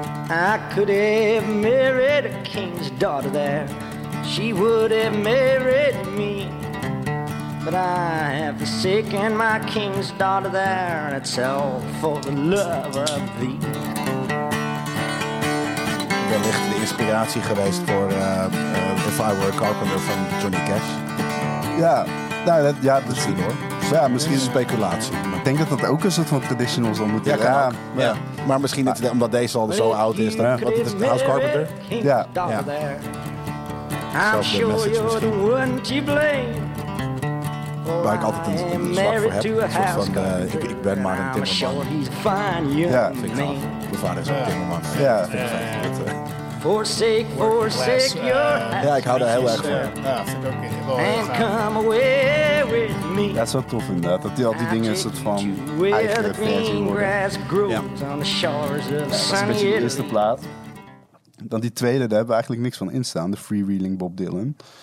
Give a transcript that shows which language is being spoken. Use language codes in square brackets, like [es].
[en] I could have married a king's daughter there. She would have married me. But I have forsaken my king's daughter there, and it's all for the love of thee. [nl] wellicht de inspiratie geweest voor If I Were a Carpenter van Johnny Cash. Ja, nou, dat, ja, dat misschien is, hoor. Ja, misschien speculatie. Maar ik denk dat dat ook een soort van traditional zal moeten zijn. Ja, ja. Ja. Maar misschien het, omdat deze al zo oud is. Dat, wat, het is de House Carpenter. Ja. Ja. [en] I'm sure you're the one to blame. [nl] Waar ik altijd een zwak voor heb. Een soort van, ik ben maar een timmerman. Ja. Vind ik graag. Mijn vader is een timmerman. Ja. [en] Forsake, forsake your house. [nl] Ja, ik hou daar heel erg van. Ja, vind ik ook heel. [en] And come away with me. [nl] Ja, dat is wel tof inderdaad. Dat die al die dingen een soort van eigen grass worden. Ja. Ja, dat is een eerste plaat. Dan die tweede, daar hebben we eigenlijk niks van in staan. De Freewheeling Bob Dylan.